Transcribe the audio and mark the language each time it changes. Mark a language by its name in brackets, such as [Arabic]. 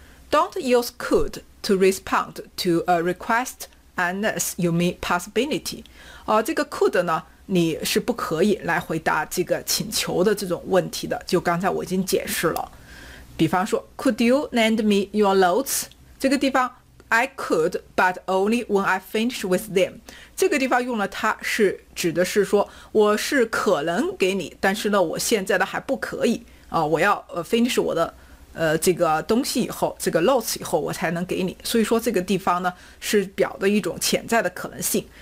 [English] Don't use could to respond to a request unless you meet possibility. [Chinese] 这个 could 呢你是不可以来回答这个请求的这种问题的，就刚才我已经解释了。比方说 [English] ,Could you lend me your notes? [Chinese] 这个地方 [English] ,I could, but only when I finish with them. [Chinese] 这个地方用了它是指的是说我是可能给你，但是呢我现在的还不可以我要finish 我的这个东西以后，这个 lots 以后，我才能给你。所以说这个地方呢是表的一种潜在的可能性。